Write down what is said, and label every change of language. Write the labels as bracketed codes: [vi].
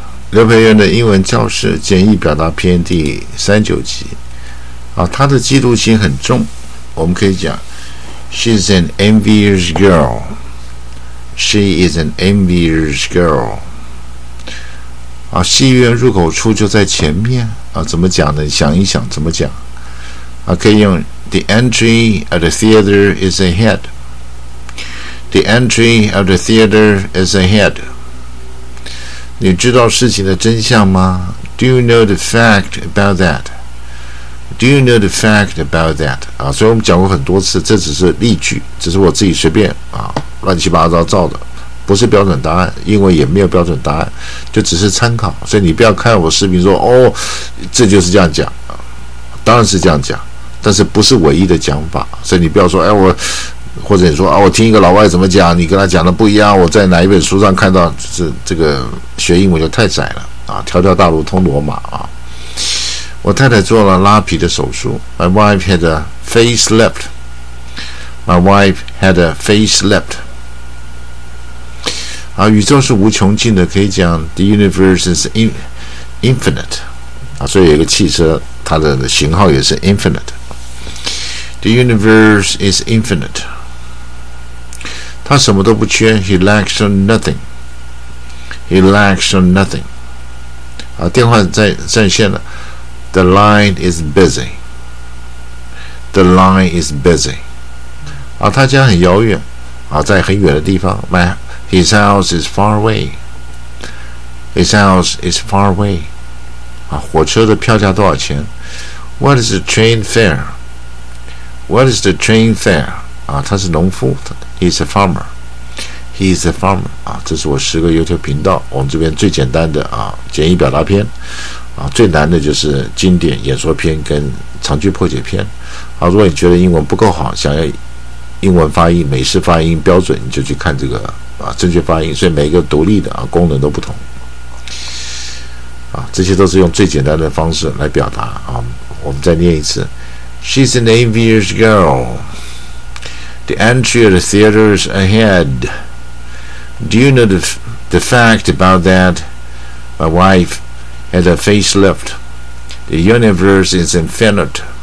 [zh] 刘培元的英文教室简易表达篇第39集、他的嫉妒心很重，我们可以讲 [en] She's an envious girl. She is an envious girl. [zh] 戏院入口处就在前面，怎么讲呢？想一想怎么讲，可以用 [en] The entry of the theater is ahead. The entry of the theater is ahead. [zh] 你知道事情的真相吗？ [en] Do you know the fact about that? Do you know the fact about that? [zh] 所以我们讲过很多次，这只是例句，只是我自己随便乱七八糟造的，不是标准答案，因为也没有标准答案，就只是参考。所以你不要看我视频说哦，这就是这样讲，当然是这样讲，但是不是唯一的讲法。所以你不要说哎我，或者你说我听一个老外怎么讲，你跟他讲的不一样，我在哪一本书上看到，这个学英文就太窄了，条条大路通罗马。我太太做了拉皮的手术。 [en] My wife had a facelift. My wife had a facelift. [zh] 宇宙是无穷尽的，可以讲 [en] The universe is infinite. [zh] 所以有一个汽车，它的型号也是 infinite. [en] The universe is infinite. [zh] 他什么都不缺， [en] He lacks nothing. He lacks nothing. [zh] 电话在线了。 [en] The line is busy. The line is busy. [zh] 他家很遥远，在很远的地方。 [en] His house is far away. His house is far away. [zh] 火车的票价多少钱？ [en] What is the train fare? What is the train fare? [zh] 他是农夫。 [en] He's a farmer. He's a farmer. [zh] 这是我十个 YouTube 频道，我们这边最简单的简易表达篇，最难的就是经典演说篇跟长句破解篇。如果你觉得英文不够好，想要英文发音、美式发音标准，你就去看这个正确发音。所以每一个独立的功能都不同。这些都是用最简单的方式来表达。我们再念一次 ： [en] She's an envious girl. The entry of the theater is ahead. Do you know the fact about that? My wife had a facelift. The universe is infinite.